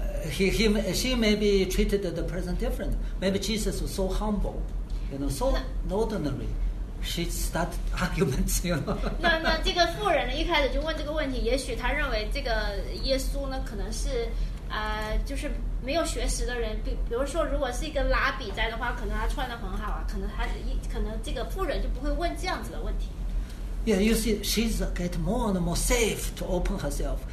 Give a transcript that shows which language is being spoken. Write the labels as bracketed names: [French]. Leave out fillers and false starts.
[English] She maybe treated the person different. Maybe Jesus was so humble, you know, so ordinary. She started argument, you know? [Chinese] 那这个妇人呢，一开始就问这个问题，也许他认为这个耶稣呢，可能是就是没有学识的人，比如说如果是一个拉比在的话，可能他穿得很好啊，可能这个妇人就不会问这样子的问题。 [English] Yeah, you see, she's get more and more safe to open herself.